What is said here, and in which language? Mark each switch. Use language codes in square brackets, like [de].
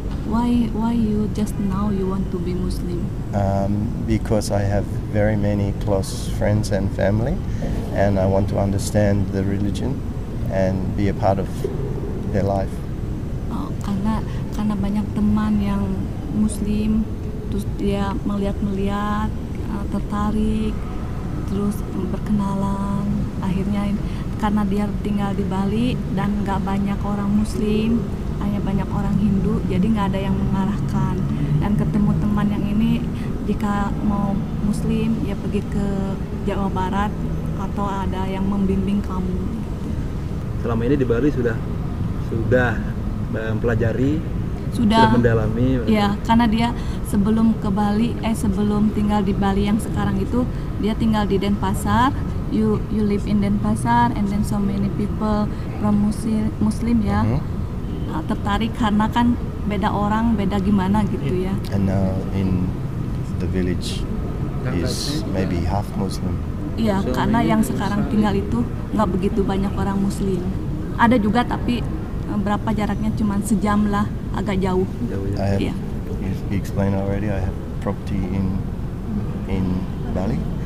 [en] Why you just now you want to be Muslim? Because I have very many close friends and family, and I want to understand the religion and be a part of their life. [id] Oh, karena banyak teman yang Muslim, terus dia melihat tertarik, terus berkenalan. Akhirnya karena dia tinggal di Bali dan nggak banyak orang Muslim. Hanya banyak orang Hindu, jadi nggak ada yang mengarahkan. Dan ketemu teman yang ini, jika mau Muslim, ya pergi ke Jawa Barat atau ada yang membimbing kamu. Selama ini di Bali sudah mempelajari, sudah mendalami. Ya, karena dia sebelum tinggal di Bali yang sekarang itu, dia tinggal di Denpasar. [en] You live in Denpasar, and then so many people from Muslim ya. [id] Uh-huh. Tertarik karena kan beda orang, beda gimana gitu ya. [en] And now in the village is maybe half Muslim. [id] Iya, so karena yang sekarang tinggal itu gak begitu banyak orang Muslim. Ada juga tapi berapa jaraknya cuma sejam lah, agak jauh. [en] I have, yeah. You explain already, I have property in Bali?